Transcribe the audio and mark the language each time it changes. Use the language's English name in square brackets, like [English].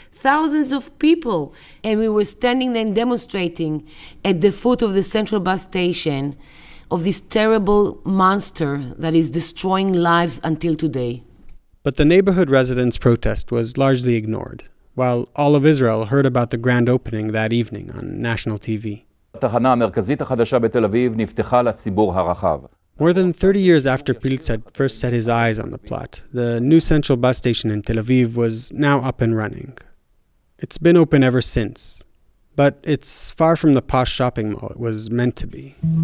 [English] And we were standing there demonstrating at the foot of the central bus station of this terrible monster that is destroying lives until today. But the neighborhood residents' protest was largely ignored, while all of Israel heard about the grand opening that evening on national TV. [Hebrew] התחנה המרכזית החדשה בתל אביב נפתחה לציבור הרחב. [English] More than 30 years after Pilz had first set his eyes on the plot, the new central bus station in Tel Aviv was now up and running. It's been open ever since, but it's far from the posh shopping mall it was meant to be.